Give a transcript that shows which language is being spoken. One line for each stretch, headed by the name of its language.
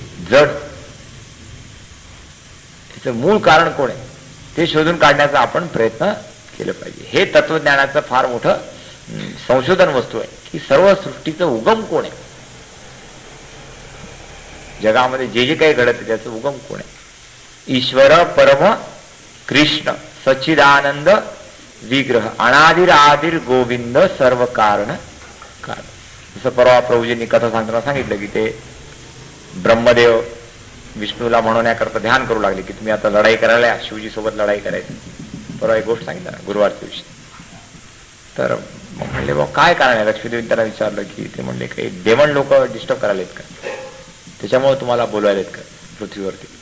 Marathi: जड त्याचं मूळ कारण कोण आहे ते शोधून काढण्याचा आपण प्रयत्न केलं पाहिजे. हे तत्वज्ञानाचं फार मोठं संशोधन वस्तू आहे की सर्व सृष्टीचं उगम कोण आहे. जगामध्ये जे जे काही घडतं त्याचं उगम कोण आहे?
Sanskrit: ईश्वर परम कृष्ण सच्चिदानंद विग्रह अनादिर आदिर गोविंद सर्व कारण कारण.
Marathi: जसं परवा प्रभूजींनी कथा सांगताना सांगितलं की ते ब्रह्मदेव विष्णूला म्हणण्याकरता ध्यान करू लागले की तुम्ही आता लढाई करायला या, शिवजी सोबत लढाई करायची. परवा एक गोष्ट सांगितलं गुरुवारच्या दिवशी. तर मग म्हणले बाबा काय कारण आहे? लक्ष्मीदेवी त्यांना विचारलं की ते म्हणले काही डेमन लोक डिस्टर्ब करायला आहेत का, त्याच्यामुळे तुम्हाला बोलवायला आहेत का पृथ्वीवरती?